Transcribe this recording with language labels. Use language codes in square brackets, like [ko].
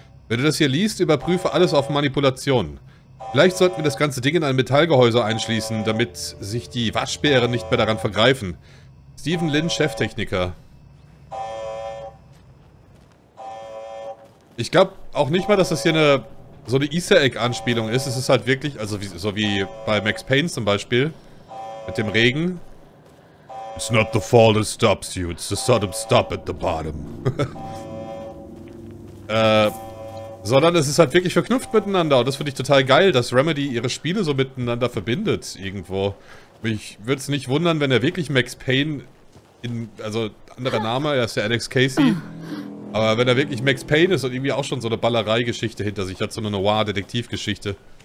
[de] Wenn du das hier liest, überprüfe alles auf Manipulation. Vielleicht sollten wir das ganze Ding in ein Metallgehäuse einschließen, damit sich die Waschbären nicht mehr daran vergreifen. Stephen Lin, Cheftechniker. Ich glaube auch nicht mal, dass das hier eine so eine Easter Egg-Anspielung ist. Es ist halt wirklich, also wie, so wie bei Max Payne zum Beispiel, mit dem Regen. [en] It's not the fall that stops you, it's the sudden stop at the bottom. [de] Sondern es ist halt wirklich verknüpft miteinander und das finde ich total geil, dass Remedy ihre Spiele so miteinander verbindet irgendwo. Mich würde es nicht wundern, wenn er wirklich Max Payne in, also anderer Name, er ist ja Alex Casey. Aber wenn er wirklich Max Payne ist und irgendwie auch schon so eine Ballereigeschichte hinter sich hat, so eine Noir-Detektivgeschichte.